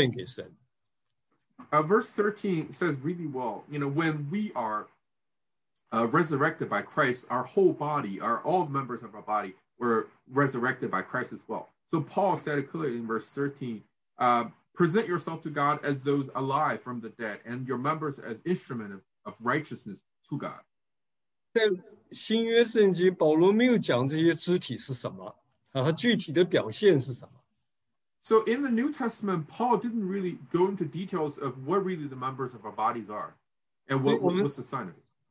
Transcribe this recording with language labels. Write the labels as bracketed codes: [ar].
[zh] 所以我就把我自己献给神，并且把我身上的每一个肢体都当作义的器具献给神。Verse [en] 13 says really well, you know, when we are resurrected by Christ, our whole body, all members of our body were resurrected by Christ as well. So Paul said it clearly in verse 13, present yourself to God as those alive from the dead and your members as instrument of righteousness to God. [zh] 在新约圣经，保罗没有讲这些肢体是什么，具体的表现是什么。So [en] in the New Testament, Paul didn't really go into details of what really the members of our bodies are, and what's the sign of it.